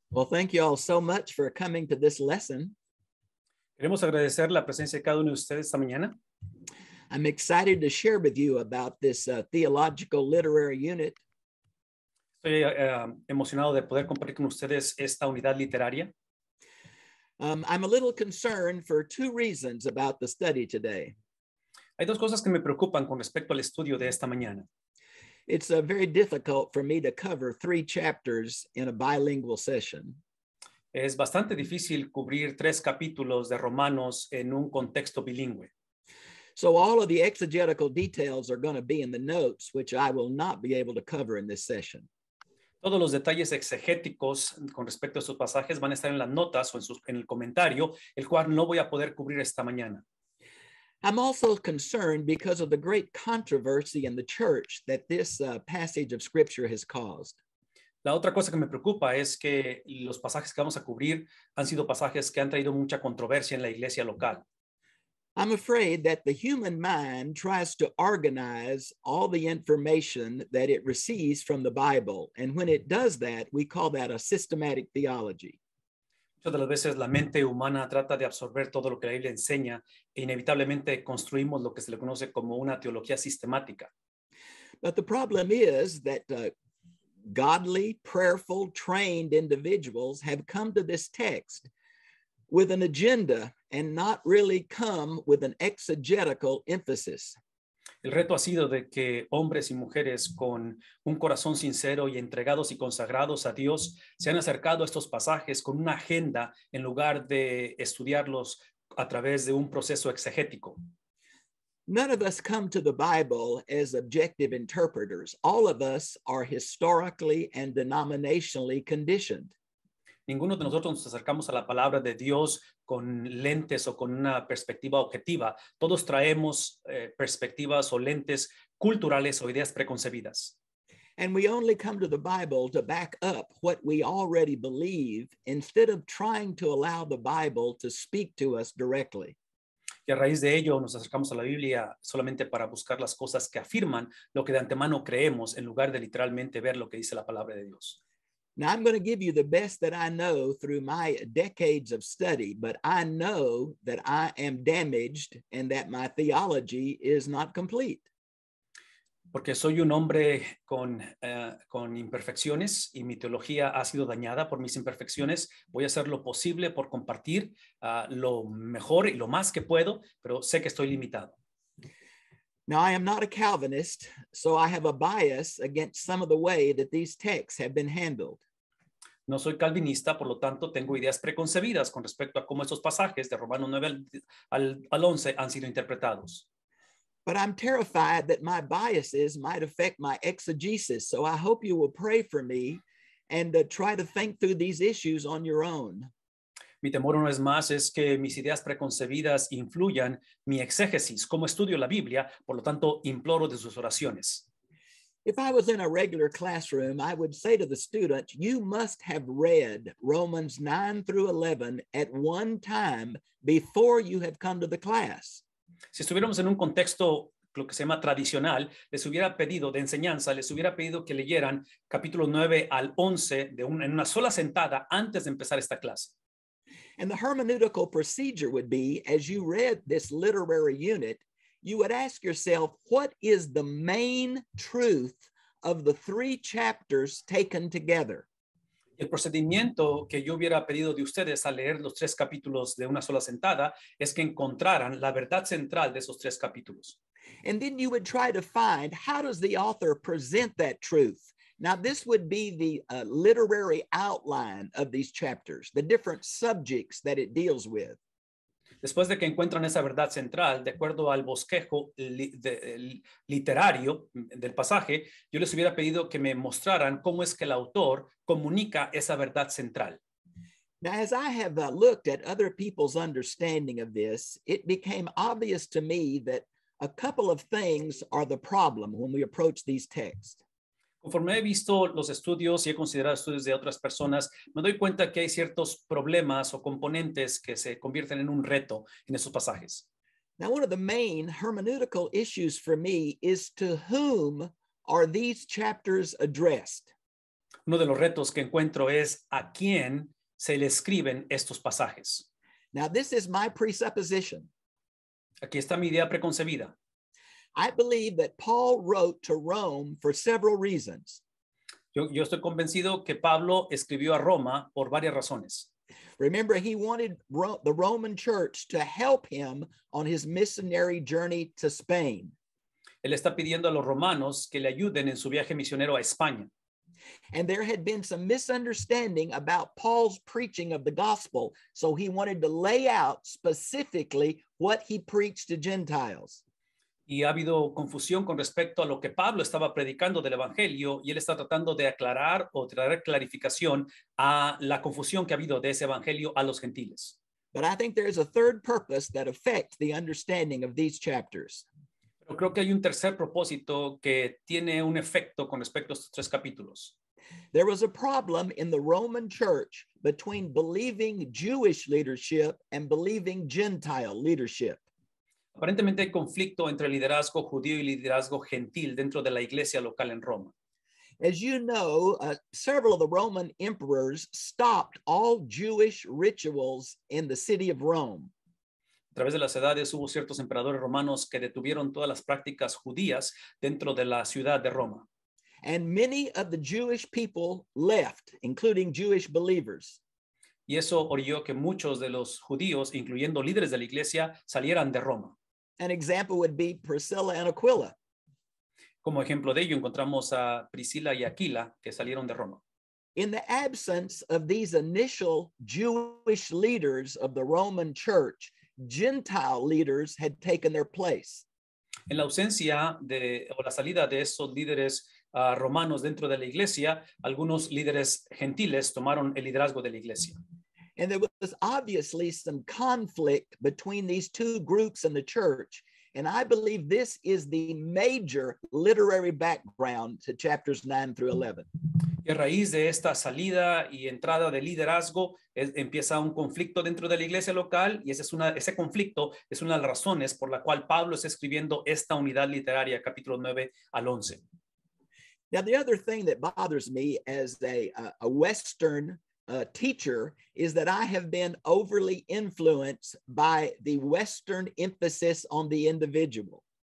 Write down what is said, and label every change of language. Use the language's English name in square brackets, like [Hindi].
[English] Well, thank you all so much for coming to this lesson. [Spanish] Queremos agradecer la presencia de cada uno de ustedes esta mañana. [English] I'm excited to share with you about this theological literary unit. [Spanish] Estoy emocionado de poder compartir con ustedes esta unidad literaria. [English] I'm a little concerned for two reasons about the study today. [Spanish] Hay dos cosas que me preocupan con respecto al estudio de esta mañana. [English] It's very difficult for me to cover three chapters in a bilingual session. [Spanish] Es bastante difícil cubrir tres capítulos de Romanos en un contexto bilingüe. [English] So all of the exegetical details are going to be in the notes, which I will not be able to cover in this session. [Spanish] Todos los detalles exegéticos con respecto a estos pasajes van a estar en las notas o en el comentario, el cual no voy a poder cubrir esta mañana. [English] I'm also concerned because of the great controversy in the church that this passage of scripture has caused. [Spanish] La otra cosa que me preocupa es que los pasajes que vamos a cubrir han sido pasajes que han traído mucha controversia en la iglesia local. [English] I'm afraid that the human mind tries to organize all the information that it receives from the Bible. And when it does that, we call that a systematic theology. [Spanish] Muchas de las veces la mente humana trata de absorber todo lo que la Biblia enseña e inevitablemente construimos lo que se le conoce como una teología sistemática. [English] But the problem is that godly, prayerful, trained individuals have come to this text with an agenda and not really come with an exegetical emphasis. [Spanish] El reto ha sido de que hombres y mujeres con un corazón sincero y entregados y consagrados a Dios se han acercado a estos pasajes con una agenda en lugar de estudiarlos a través de un proceso exegético. [English] None of us come to the Bible as objective interpreters. All of us are historically and denominationally conditioned. [Spanish] Ninguno de nosotros nos acercamos a la palabra de Dios con lentes o con una perspectiva objetiva. Todos traemos perspectivas o lentes culturales o ideas preconcebidas. [English] And we only come to the Bible to back up what we already believe instead of trying to allow the Bible to speak to us directly. [Spanish] Y a raíz de ello nos acercamos a la Biblia solamente para buscar las cosas que afirman lo que de antemano creemos en lugar de literalmente ver lo que dice la palabra de Dios. [English] Now I'm going to give you the best that I know through my decades of study, but I know that I am damaged and that my theology is not complete. [Spanish] Porque soy un hombre con imperfecciones y mi teología ha sido dañada por mis imperfecciones. Voy a hacer lo posible por compartir lo mejor y lo más que puedo, pero sé que estoy limitado. [English] Now, I am not a Calvinist, so I have a bias against some of the way that these texts have been handled. [Spanish] No soy calvinista, por lo tanto, tengo ideas preconcebidas con respecto a cómo estos pasajes de Romanos 9 al 11 han sido interpretados. [English] But I'm terrified that my biases might affect my exegesis, so I hope you will pray for me and try to think through these issues on your own. [Spanish] Mi temor una vez más es que mis ideas preconcebidas influyan mi exégesis, como estudio la Biblia, por lo tanto, imploro de sus oraciones. [English] If I was in a regular classroom, I would say to the student, you must have read Romans 9 through 11 at one time before you have come to the class. [Spanish] Si estuviéramos en un contexto, lo que se llama tradicional, les hubiera pedido de enseñanza, les hubiera pedido que leyeran capítulo 9 al 11 en una sola sentada antes de empezar esta clase. [English] And the hermeneutical procedure would be, as you read this literary unit, you would ask yourself, what is the main truth of the three chapters taken together? [Spanish] El procedimiento que yo hubiera pedido de ustedes al leer los tres capítulos de una sola sentada es que encontraran la verdad central de esos tres capítulos. [English] And then you would try to find, how does the author present that truth? Now, this would be the literary outline of these chapters, the different subjects that it deals with. [Spanish] Después de que encuentran esa verdad central, de acuerdo al bosquejo literario del pasaje, yo les hubiera pedido que me mostraran cómo es que el autor comunica esa verdad central. [English] Now, as I have looked at other people's understanding of this, it became obvious to me that a couple of things are the problem when we approach these texts. [Spanish] Conforme he visto los estudios y he considerado estudios de otras personas, me doy cuenta que hay ciertos problemas o componentes que se convierten en un reto en esos pasajes. [English] Now, one of the main hermeneutical issues for me is to whom are these chapters addressed? [Spanish] Uno de los retos que encuentro es a quién se le escriben estos pasajes. [English] Now, this is my presupposition. [Spanish] Aquí está mi idea preconcebida. [English] I believe that Paul wrote to Rome for several reasons. [Spanish] Yo estoy convencido que Pablo escribió a Roma por varias razones. [English] Remember, he wanted the Roman church to help him on his missionary journey to Spain. [Spanish] Él está pidiendo a los romanos que le ayuden en su viaje misionero a España. [English] And there had been some misunderstanding about Paul's preaching of the gospel, so he wanted to lay out specifically what he preached to Gentiles. [Spanish] Y ha habido confusión con respecto a lo que Pablo estaba predicando del evangelio, y él está tratando de aclarar o traer clarificación a la confusión que ha habido de ese evangelio a los gentiles. [English] But I think there is a third purpose that affects the understanding of these chapters. [Spanish] Pero creo que hay un tercer propósito que tiene un efecto con respecto a estos tres capítulos. [English] There was a problem in the Roman church between believing Jewish leadership and believing Gentile leadership. [Spanish] Aparentemente hay conflicto entre liderazgo judío y liderazgo gentil dentro de la iglesia local en Roma. [English] As you know, several of the Roman emperors stopped all Jewish rituals in the city of Rome. [Spanish] A través de las edades hubo ciertos emperadores romanos que detuvieron todas las prácticas judías dentro de la ciudad de Roma. [English] And many of the Jewish people left, including Jewish believers. [Spanish] Y eso orilló que muchos de los judíos, incluyendo líderes de la iglesia, salieran de Roma. [English] An example would be Priscilla and Aquila. [Spanish] Como ejemplo de ello, encontramos a Priscila y Aquila, que salieron de Roma. [English] In the absence of these initial Jewish leaders of the Roman church, Gentile leaders had taken their place. [Spanish] En la ausencia de o la salida de esos líderes romanos dentro de la iglesia, algunos líderes gentiles tomaron el liderazgo de la iglesia. [English] And there was obviously some conflict between these two groups in the church. And I believe this is the major literary background to chapters 9 through 11. [Spanish] Y a raíz de esta salida y entrada de liderazgo, empieza un conflicto dentro de la iglesia local. Y ese conflicto es una de las razones por la cual Pablo está escribiendo esta unidad literaria, capítulo 9 al 11. [English] Now, the other thing that bothers me as a Western teacher is that I have been overly influenced by the Western emphasis on the individual.